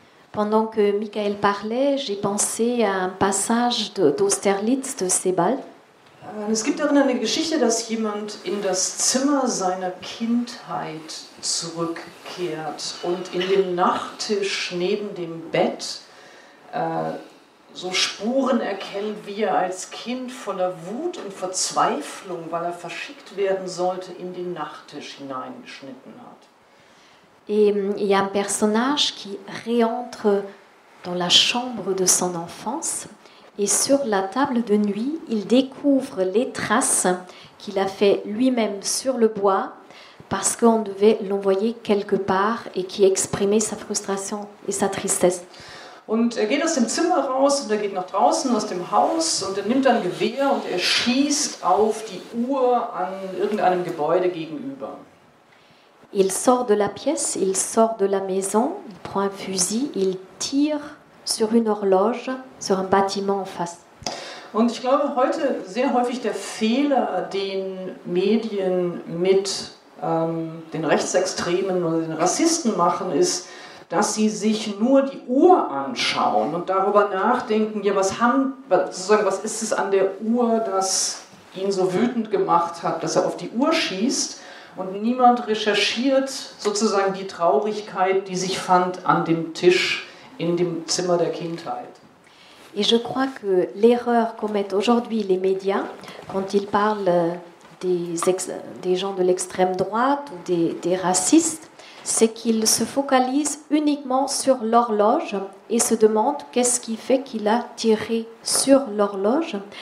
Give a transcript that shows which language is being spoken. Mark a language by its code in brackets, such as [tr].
[fr] Pendant que Michael parlait, j'ai pensé à un passage d'Austerlitz de Sebald. [de] Es gibt darin eine Geschichte, dass jemand in das Zimmer seiner Kindheit zurückkehrt und in dem Nachttisch neben dem Bett so Spuren erkennt, wie er als Kind voller Wut und Verzweiflung, weil er verschickt werden sollte, in den Nachttisch hineingeschnitten hat. [fr] Et il y a un personnage qui réentre dans la chambre de son enfance et sur la table de nuit, il découvre les traces qu'il a fait lui-même sur le bois parce qu'on devait l'envoyer quelque part et qui exprimait sa frustration et sa tristesse. [de] Und er geht aus dem Zimmer raus und er geht nach draußen aus dem Haus und er nimmt ein Gewehr und er schießt auf die Uhr an irgendeinem Gebäude gegenüber. [fr] Il sort de la pièce, il sort de la maison, il prend un fusil, il tire sur une horloge, sur un bâtiment en face. [de] Und ich glaube, heute sehr häufig der Fehler, den Medien mit den Rechtsextremen oder den Rassisten machen, ist, dass sie sich nur die Uhr anschauen und darüber nachdenken, ja, was ist es an der Uhr, das ihn so wütend gemacht hat, dass er auf die Uhr schießt. Und niemand recherchiert sozusagen die Traurigkeit, die sich fand an dem Tisch in dem Zimmer der Kindheit. [fr] Et je crois que l'erreur commettent aujourd'hui les médias quand ils parlent des gens de l'extrême droite ou des racistes, c'est qu'il se focalise uniquement sur l'horloge et se demande qu'est-ce qui fait qu'il a tiré sur l'horloge.